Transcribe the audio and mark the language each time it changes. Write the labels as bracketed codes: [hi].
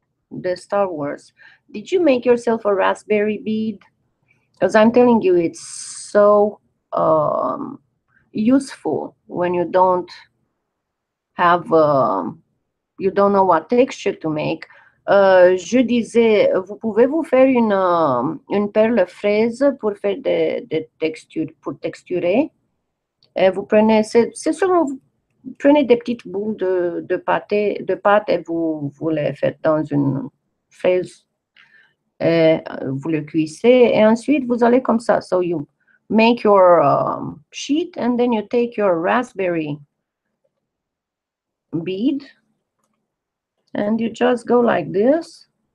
[en] The Star Wars. Did you make yourself a raspberry bead? Because I'm telling you, it's so useful when you don't have, you don't know what texture to make. [fr] Je disais, vous pouvez vous faire une perle fraise pour faire des textures, pour texturer. Et vous prenez, c'est seulement vous prenez des petites boules de pâté, de pâte et vous les faites dans une fraise. Et vous le cuissez et ensuite vous allez comme ça. [en] So you make your sheet and then you take your raspberry bead and you just go like this.